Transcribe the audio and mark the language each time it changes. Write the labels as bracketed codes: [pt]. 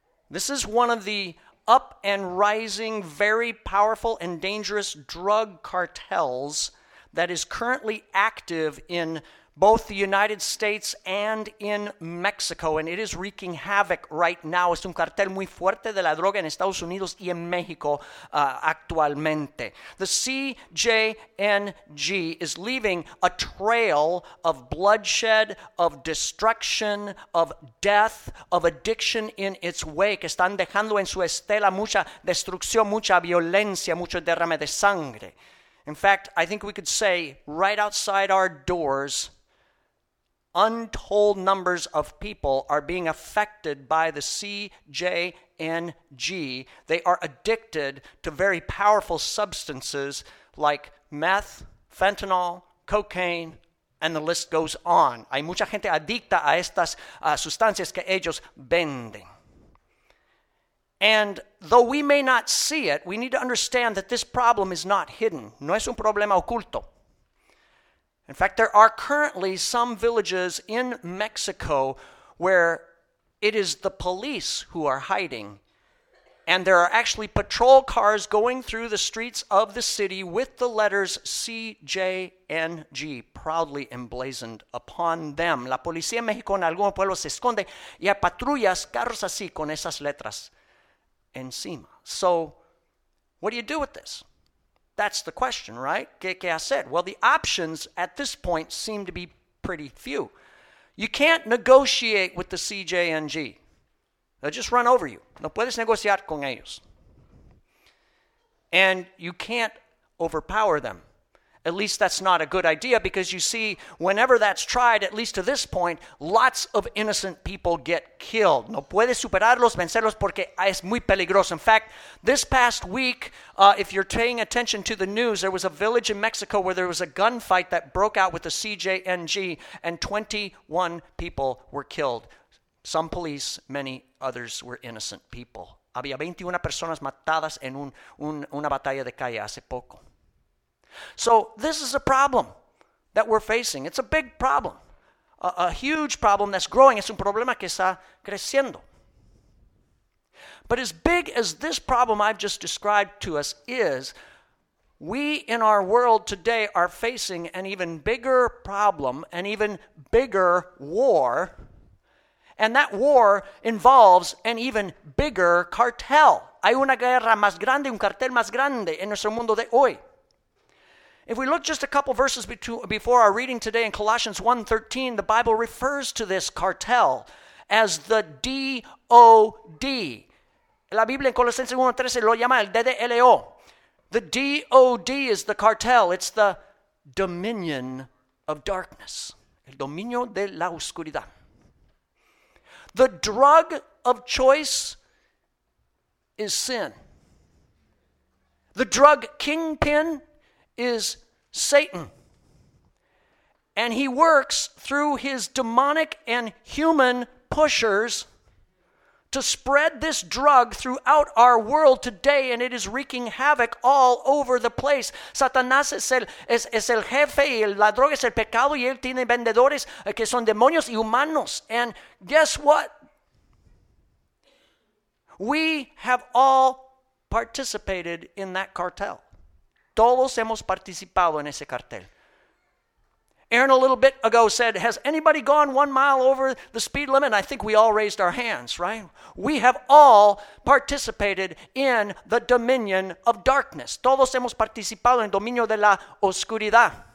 [en] This is one of the up and rising, very powerful and dangerous drug cartels that is currently active in both the United States and in Mexico, and it is wreaking havoc right now. [es] Es un cartel muy fuerte de la droga en Estados Unidos y en México actualmente. [en] The CJNG is leaving a trail of bloodshed, of destruction, of death, of addiction in its wake. [es] Están dejando en su estela mucha destrucción, mucha violencia, mucho derrame de sangre. [en] In fact, I think we could say right outside our doors, untold numbers of people are being affected by the CJNG. They are addicted to very powerful substances like meth, fentanyl, cocaine, and the list goes on. [es] Hay mucha gente adicta a estas sustancias que ellos venden. [en] And though we may not see it, we need to understand that this problem is not hidden. [es] No es un problema oculto. [en] In fact, there are currently some villages in Mexico where it is the police who are hiding. And there are actually patrol cars going through the streets of the city with the letters CJNG proudly emblazoned upon them. [es] La policía en México en algunos pueblos se esconde y hay patrullas, carros así, con esas letras encima. [en] So, what do you do with this? That's the question, right? [es] ¿Qué hacer? [en] Well, the options at this point seem to be pretty few. You can't negotiate with the CJNG. They'll just run over you. [es] No puedes negociar con ellos. [en] And you can't overpower them. At least that's not a good idea because you see, whenever that's tried, at least to this point, lots of innocent people get killed. [es] No puedes superarlos, vencerlos, porque es muy peligroso. [en] In fact, this past week, if you're paying attention to the news, there was a village in Mexico where there was a gunfight that broke out with the CJNG and 21 people were killed. Some police, many others were innocent people. [es] Había 21 personas matadas en una batalla de calle hace poco. [en] So this is a problem that we're facing. It's a big problem, a huge problem that's growing. [es] Es un problema que está creciendo. [en] But as big as this problem I've just described to us is, we in our world today are facing an even bigger problem, an even bigger war, and that war involves an even bigger cartel. [es] Hay una guerra más grande, un cartel más grande en nuestro mundo de hoy. [en] If we look just a couple verses before our reading today in Colossians 1:13, the Bible refers to this cartel as the DOD. [es] La Biblia en Colosenses 1:13 lo llama el DDLO. [en] The DOD is the cartel. It's the dominion of darkness. [es] El dominio de la oscuridad. [en] The drug of choice is sin. The drug kingpin is Satan. And he works through his demonic and human pushers to spread this drug throughout our world today, and it is wreaking havoc all over the place. [es] Satanás es el jefe, y la droga es el pecado, y él tiene vendedores que son demonios y humanos. [en] And guess what? We have all participated in that cartel. [es] Todos hemos participado en ese cartel. [en] Aaron a little bit ago said, has anybody gone 1 mile over the speed limit? I think we all raised our hands, right? We have all participated in the dominion of darkness. [es] Todos hemos participado en el dominio de la oscuridad.